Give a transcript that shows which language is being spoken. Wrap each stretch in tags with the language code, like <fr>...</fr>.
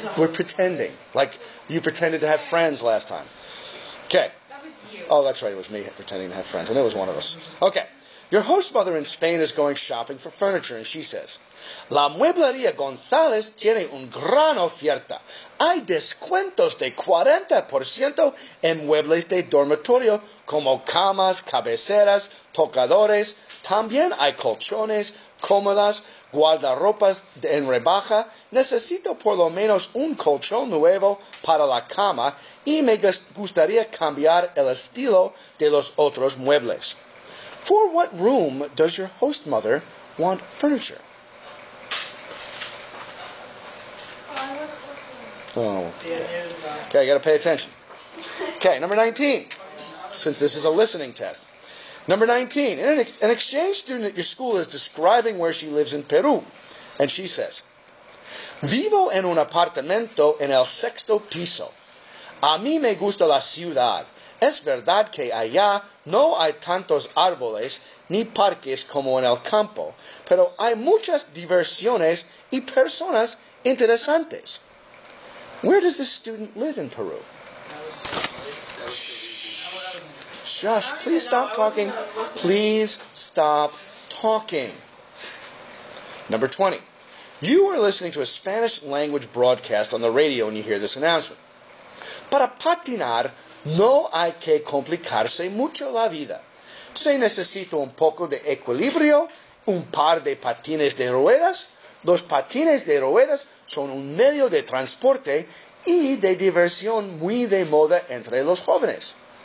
<en>We're pretending. Like, you pretended to have friends last time. Okay. That was you. Oh, that's right, it was me pretending to have friends. I know it was one of us. Okay. Your host mother in Spain is going shopping for furniture, and she says,</en> <es>La Mueblería González tiene un gran oferta. Hay descuentos de 40% en muebles de dormitorio, como camas, cabeceras, tocadores. También hay colchones, cómodas, guardarropas en rebaja. Necesito por lo menos un colchón nuevo para la cama y me gustaría cambiar el estilo de los otros muebles.</es> <en>For what room does your host mother want furniture? Oh, okay. Okay, I gotta pay attention. Okay, number 19. Since this is a listening test. Number 19. An exchange student at your school is describing where she lives in Peru. And she says,</en> <es>Vivo en un apartamento en el sexto piso. A mí me gusta la ciudad. Es verdad que allá no hay tantos árboles ni parques como en el campo, pero hay muchas diversiones y personas interesantes.</es> <en>Where does this student live in Peru? Shush, please stop talking. Please stop talking. Number 20. You are listening to a Spanish language broadcast on the radio and you hear this announcement.</en> <es>Para patinar, no hay que complicarse mucho la vida. Se necesita un poco de equilibrio, un par de patines de ruedas. Los patines de ruedas son un medio de transporte y de diversión muy de moda entre los jóvenes.</es>